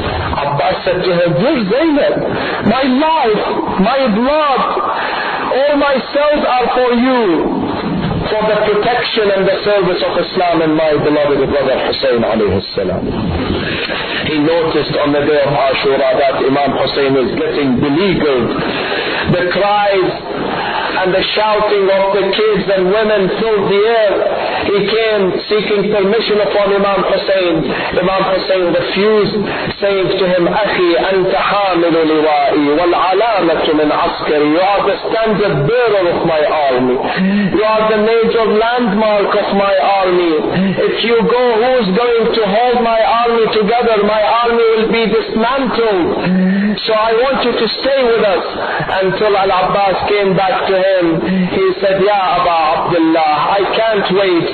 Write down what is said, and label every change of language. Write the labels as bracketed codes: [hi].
[en] Abbas said to her, dear Zainab, my life, my blood, all my cells are for you, for the protection and the service of Islam and my beloved brother Hussein alayhi salam. He noticed on the day of Ashura that Imam Hussein is getting beleaguered. The cries and the shouting of the kids and women filled the air. He came seeking permission upon Imam Hussein. Imam Hussein refused, saying to him, [ar] أخي أنت حامل لوائي والعلامة من عسكري. [en] You are the standard bearer of my army. You are the major landmark of my army. If you go, who is going to hold my army together? My army will be dismantled. So I want you to stay with us. Until Al-Abbas came back to him, he said, Ya Aba Abdullah, I can't wait.